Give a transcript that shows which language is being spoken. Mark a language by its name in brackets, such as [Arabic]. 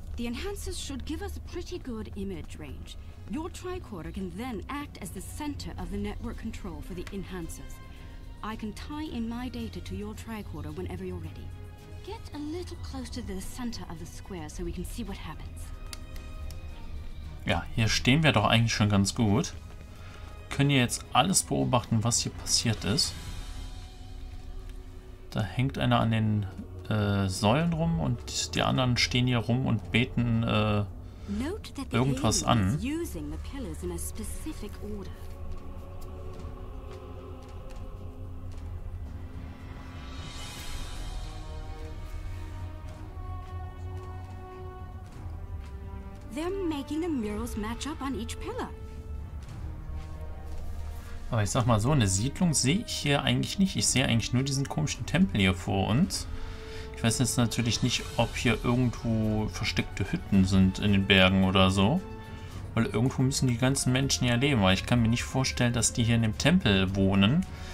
[English] The enhancers should give us a pretty good image range. Your tricorder can then act as the center of the network control for the enhancers. I can tie in my data to your tricorder whenever you're ready. Get a little closer to the center of the square so we can see what happens. [German] Ja, hier stehen wir doch eigentlich schon ganz gut. Können hier jetzt alles beobachten, was hier passiert ist. Da hängt einer an den Säulen rum und die anderen stehen hier rum und beten irgendwas an. [English] They're making the murals match up on each pillar. [German] Aber ich sag mal so, eine Siedlung sehe ich hier eigentlich nicht. Ich sehe eigentlich nur diesen komischen Tempel hier vor uns. Ich weiß jetzt natürlich nicht, ob hier irgendwo versteckte Hütten sind in den Bergen oder so. Weil irgendwo müssen die ganzen Menschen ja leben. Weil ich kann mir nicht vorstellen, dass die hier in dem Tempel wohnen.